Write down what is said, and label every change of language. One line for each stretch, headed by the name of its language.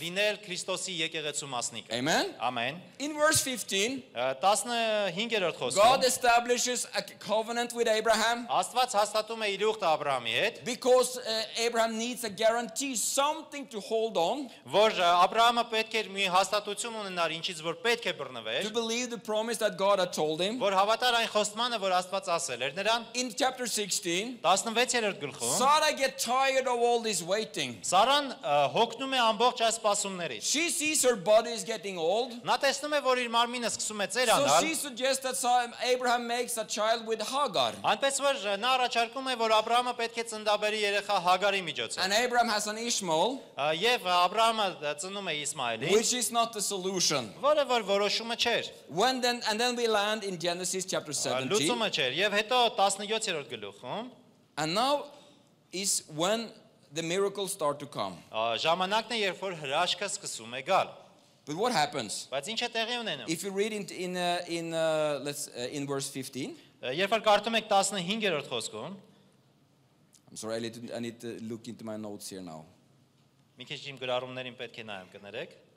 Armenian: Լինել Քրիստոսի եկեղեցու մասնիկ։
English: Amen. Amen. In verse 15,
Armenian: 15-րդ խոսքը։
English: God establishes a covenant with Abraham.
Armenian: Աստված հաստատում է իր ուղտը Աբրահամի հետ։
English: Because Abraham needs a guarantee, something to hold on.
Armenian: Որ Աբրահամը պետք էր մի հաստատություն ունենար ինչից որ պետք է բռնվեր.
English: To believe the promise that God had told him.
Armenian: Որ հավատար այն խոստմանը որ Աստված ասել էր նրան.
English: In chapter 16.
Armenian: 16-րդ գլխում.
English: Sarah gets tired of all this waiting.
Armenian: Սարան հոգնում է ամբողջ այս սպասումներից.
English: She sees her body is getting old.
Armenian: Նա տեսնում է որ իր մարմինը սկսում է ծերանալ.
English: So she suggests that Abraham makes a child with Hagar.
Armenian: Այնպես որ նա առաջարկում է որ Աբրահամը պետք է ծնդաբերի երեխա Հագարի միջոցով.
English: And Abraham has an Ishmael.
Armenian: Եվ Աբրահամը ծնում է Իսմայելին.
English: Which is not the solution.
Armenian: Որը որ որոշումը չէր.
English: When then and then we land in Genesis chapter 17.
Armenian: Լուսումը չէր եւ հետո 17-րդ գլուխում.
English: And now is when the miracles start to come.
Armenian: Ժամանակն է երբ որ հրաշքը սկսում է գալ.
English: But what happens?
Armenian: Բայց ինչ է տեղի ունենում?
English: If you read in verse 15.
Armenian: Երբ որ կարդում եք 15-րդ խոսքում.
English: I'm sorry, I need to look into my notes here now.
Armenian: Մի քիչ իմ գրառումներին պետք է նայեմ, կներեք։